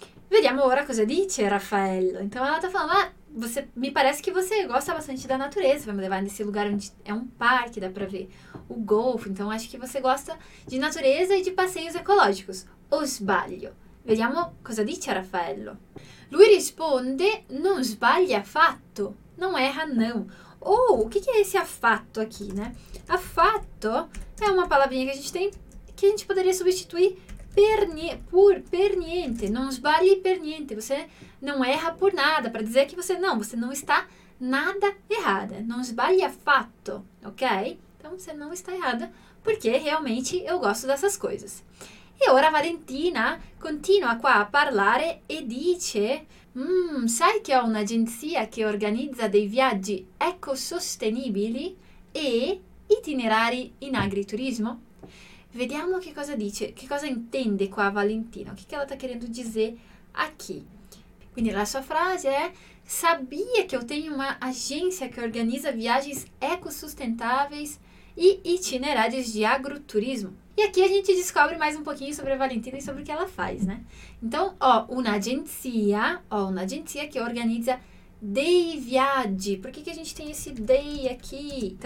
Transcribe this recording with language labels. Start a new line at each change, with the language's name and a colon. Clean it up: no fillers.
Italian: Vediamo ora cosa dice Raffaello.
Portuguese: Então ela tá falando: ah, você me parece que você gosta bastante da natureza. Vamos levar nesse lugar onde é um parque, dá para ver o golfo. Então acho que você gosta de natureza e de passeios ecológicos.
Italian: O sbaglio. Vediamo cosa dice Raffaello. Lui risponde: non sbaglia affatto.
Portuguese: Non erra, não. Ou, o que é esse affatto aqui, né? Affatto é uma palavrinha que a gente tem que a gente poderia substituir per niente,
Italian: non sbagli per niente,
Portuguese: você não erra por nada, para dizer que você não está nada errada,
Italian: non sbagli affatto,
Portuguese: ok? Então você não está errada, porque realmente eu gosto dessas coisas.
Italian: E ora Valentina continua qua a parlare e dice: Sai che ho un'agenzia che organizza dei viaggi ecosostenibili e itinerari in agriturismo? Vediamo che cosa dice, che cosa intende qua Valentino, che cosa sta querendo dire a chi? Quindi la sua frase è:
Portuguese: Sabia que eu tenho uma agência que organiza viagens ecossustentáveis e itinerários de agroturismo? E aqui a gente descobre mais um pouquinho sobre a Valentina e sobre o que ela faz, né? Então, ó, uma agência que organiza
Italian: dei viaggi.
Portuguese: Por que que a gente tem esse dei aqui?